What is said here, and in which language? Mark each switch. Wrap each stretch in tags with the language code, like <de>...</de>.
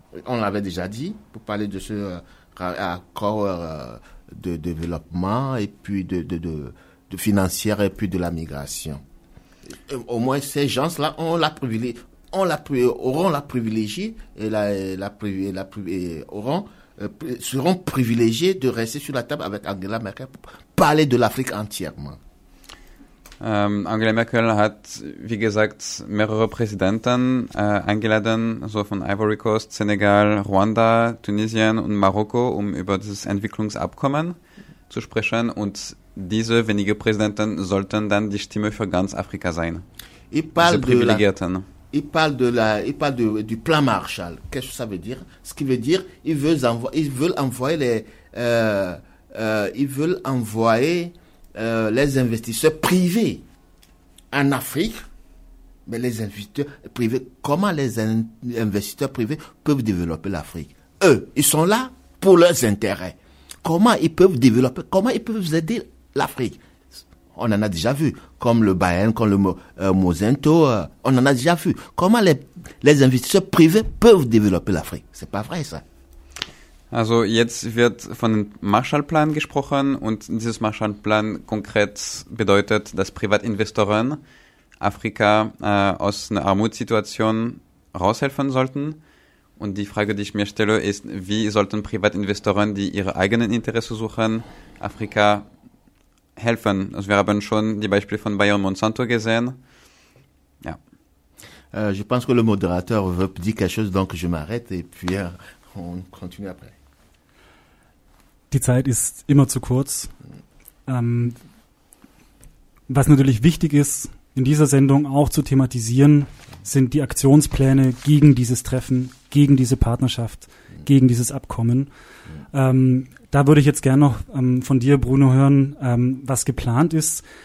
<fr>On l'avait déjà dit, pour parler de ce accord de développement et puis de financière et puis de la migration. Et au moins, ces gens-là seront privilégiés de rester sur la table avec Angela Merkel pour parler de l'Afrique entièrement.</fr> <de>Angela Merkel hat, wie gesagt, mehrere Präsidenten eingeladen, so von Ivory Coast, Senegal, Ruanda, Tunesien und Marokko, um über dieses Entwicklungsabkommen zu sprechen. Und diese wenigen Präsidenten sollten dann die Stimme für ganz Afrika sein.</de> <fr>Du Plan Marshall. Qu'est-ce que ça veut dire? Ce qui veut dire, ils veulent envoyer les investisseurs privés en Afrique, mais les investisseurs privés, comment les investisseurs privés peuvent développer l'Afrique? Eux, ils sont là pour leurs intérêts. Comment ils peuvent aider l'Afrique? On en a déjà vu, comme le Bayern, comme le Mosento, on en a déjà vu. Comment les investisseurs privés peuvent développer l'Afrique? C'est pas vrai, ça.</fr> <de>Also jetzt wird von dem Marshallplan gesprochen und dieses Marshallplan konkret bedeutet, dass Privatinvestoren Afrika aus einer Armutssituation raushelfen sollten. Und die Frage, die ich mir stelle, ist, wie sollten Privatinvestoren, die ihre eigenen Interessen suchen, Afrika helfen? Also wir haben schon die Beispiele von Bayer und Monsanto gesehen. Ja.</de> <fr>Je pense que le modérateur veut dire quelque chose, donc je m'arrête et puis on continue après.</fr> <de>Die Zeit ist immer zu kurz. Was natürlich wichtig ist, in dieser Sendung auch zu thematisieren, sind die Aktionspläne gegen dieses Treffen, gegen diese Partnerschaft, gegen dieses Abkommen. Da würde ich jetzt gerne noch von dir, Bruno, hören, was geplant ist.</de>